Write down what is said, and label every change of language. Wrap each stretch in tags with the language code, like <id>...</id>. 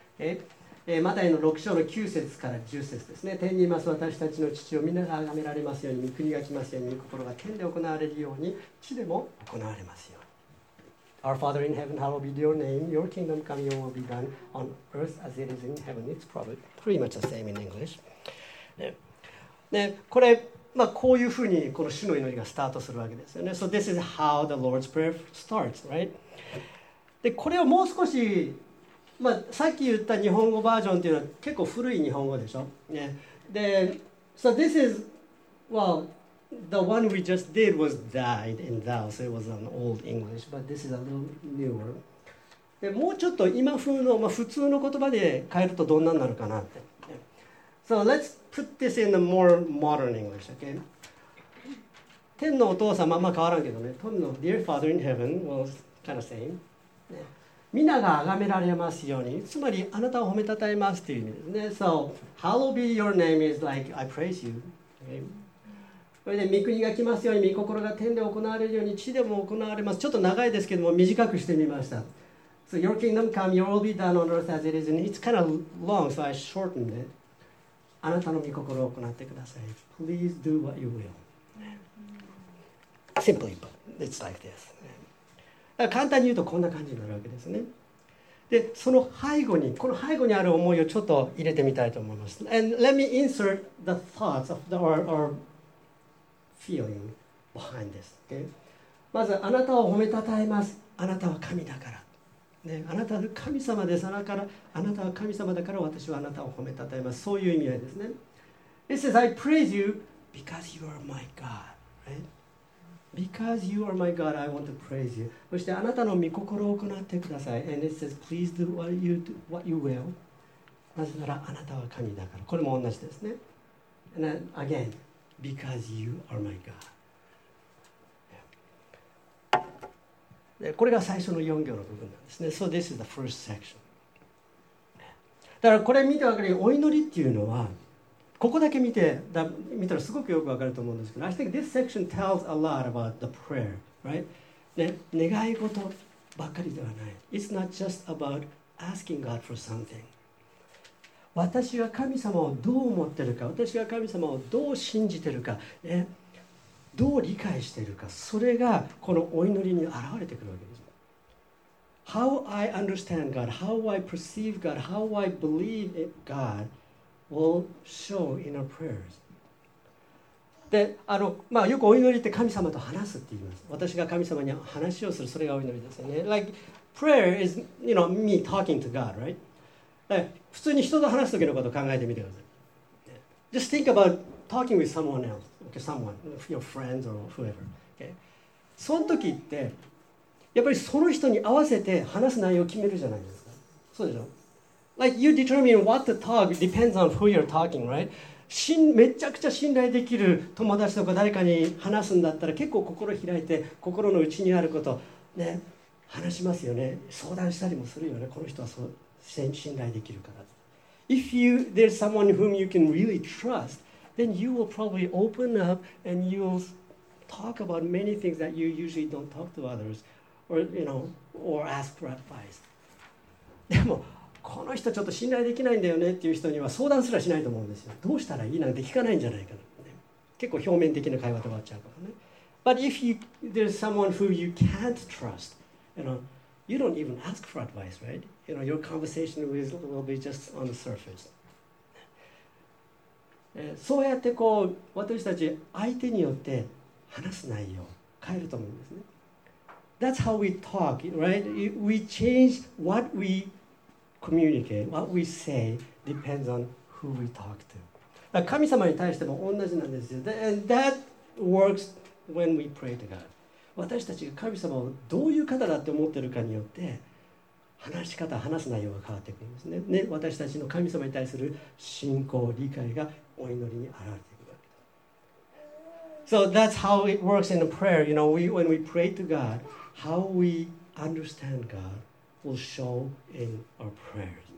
<en>Okay?</en> <ja>マタイの6章の9節から10節ですね。天にいます私たちの父を皆が崇められますように、御国が来ますように、御心が天で行われるように、地でも行われますように。</ja> <en>Our Father in heaven, hallowed be your name. Your kingdom come, your will be done on earth as it is in heaven. It's probably pretty much the same in English.</en> <ja>ね、これ、まあ、こういうふうにこの主の祈りがスタートするわけですよね。</ja> <en>So this is how the Lord's Prayer starts, right?</en> <ja>で、これをもう少し、まあ、さっき言った日本語バージョンっていうのは結構古い日本語でしょ。ね、で、</ja> <en>So this is, well... The one we just did was died and thou, so it was an old English, but this is a little newer.</en> <ja>でもうちょっと今風の、まあ、普通の言葉で変えるとどんなになるかなって。</ja> <en>So let's put this in a more modern English, okay?</en> <ja>天のお父様、まあ変わらんけどね。天の</ja> <en>Dear Father in Heaven was kind of same.</en> <ja>皆が崇められますように、つまりあなたを褒めたたえますっていう意味ですね。</ja> <en>So, hallowed be your name is like, I praise you, okay?</en> <ja>それで御国が来ますように、御心が天で行われるように、地でも行われます。ちょっと長いですけども、短くしてみました。</ja> <en>So, your kingdom come, your will be done on earth as it is. And it's kind of long, so I shortened it.</en> <ja>あなたの御心を行ってください。</ja> <en>Please do what you will. Simply, but it's like this.</en> <ja>簡単に言うとこんな感じになるわけですね。で、その背後に、この背後にある思いをちょっと入れてみたいと思います。</ja> <en>And let me insert the thoughts of the, or feeling behind this. Okay?</en> <ja>まずあなたを褒めたたえます。あなたは神だから。ね、あなたは神様です。あなたは神様だから私はあなたを褒めたたえます。そういう意味合いですね。</ja> <en>It says, I praise you because you are my God. Right? Because you are my God, I want to praise you.</en> <ja>そしてあなたの御心を行ってください。</ja> <en>And it says, please do what you will.</en> <ja>なぜならあなたは神だから。これも同じですね。</ja> <en>And then again,Because you are my God.</en> <ja>これが最初の4行の部分なんですね。</ja> <en>So this is the first section.</en> <ja>だからこれ見てわかるように、お祈りっていうのは、ここだけ見て、見たらすごくよくわかると思うんですけど、</ja> <en>I think this section tells a lot about the prayer, right?</en> <ja>ね、願い事ばかりではない。</ja> <en>It's not just about asking God for something.</en> <ja>私が神様をどう思ってるか、私が神様をどう信じてるか、ね、どう理解しているか、それがこのお祈りに現れてくるわけです。</ja> <en>How I understand God, how I perceive God, how I believe God will show in our prayers.</en> <ja>で、まあ、よくお祈りって神様と話すって言います。私が神様に話をする、それがお祈りですよね。</ja> <en>Like, prayer is, you know, me talking to God, right?</en> <ja>普通に人と話すときのことを考えてみてください。</ja> <en>Just think about talking with someone else. Okay, someone, your friends or whoever. Okay.</en> <ja>その時ってやっぱりその人に合わせて話す内容を決めるじゃないですか。そうでしょ。</ja> <en>Like you determine what to talk depends on who you're talking, right?</en> <ja>めちゃくちゃ信頼できる友達とか誰かに話すんだったら結構心開いて心の内にあることね話しますよね。相談したりもするよね。この人はそう信頼できるから。</ja> <en>If you there's someone whom you can really trust. Then you will probably open up and you will talk about many things that you usually don't talk to others or, you know, or ask for advice.</en> <ja>でも、この人ちょっと信頼できないんだよねっていう人には相談すらしないと思うんですよ。どうしたらいいなんて聞かないんじゃないかな。結構表面的な会話で終わっちゃうからね。</ja> <en>But if there's someone who you can't trust, you know, you don't even ask for advice, right? You know, your conversation will be just on the surface.</en> <ja>そうやってこう私たち相手によって話す内容変えると思うんですね。</ja> <en>That's how we talk, right? We change what we communicate, what we say depends on who we talk to.</en> <ja>神様に対しても同じなんですよ。</ja> <en>And that works when we pray to God.</en> <ja>私たちが神様をどういう方だって思ってるかによって話し方、話す内容が変わってくるんですね。ね、私たちの神様に対する信仰、理解がお祈りに表れていくわけです。</ja> <en>So that's how it works in the prayer. You know, when we pray to God, how we understand God will show in our prayers.</en>